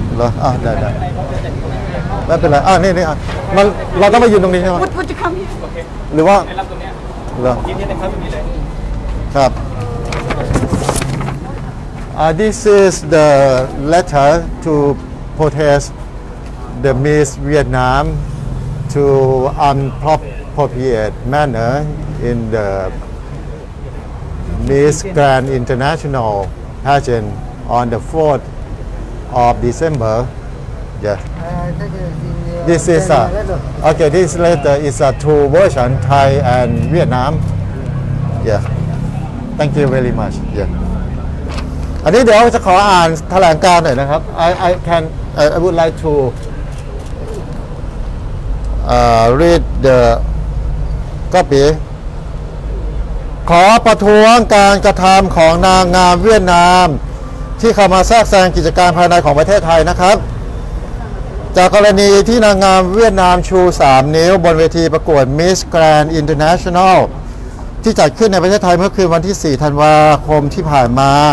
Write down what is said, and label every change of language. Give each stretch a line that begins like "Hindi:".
Thai: เหรอได้ไม่เป็นไรนี่มันเราต้องมายืนตรงนี้ใช่ไหม พูดจะคำ หรือว่า เ หรอ ยื่นให้เขาตรงนี้เลย
English: ครับ this is the letter to protest the Miss Vietnam to unappropriate manner in the Miss Grand International pageant on the 4th of December. Yeah. This is a, okay, this letter is a two version, Thai and Vietnam. Yeah. Thank you very much.
Thai: Yeah. อันนี้เดี๋ยวจะขออ่านแถลงการหน่อยนะครับ
English: I would like to read the copy.
Thai: ขอประท้วงการกระทำของนางงามเวียดนามที่เข้ามาแทรกแซงกิจการภายในของประเทศไทยนะครับจากกรณีที่นางงามเวียดนามชู3นิ้วบนเวทีประกวด Miss Grand Internationalที่จัดขึ้นในประเทศไทยเมื่อคืนวันที่4ธันวาคมที่ผ่านมา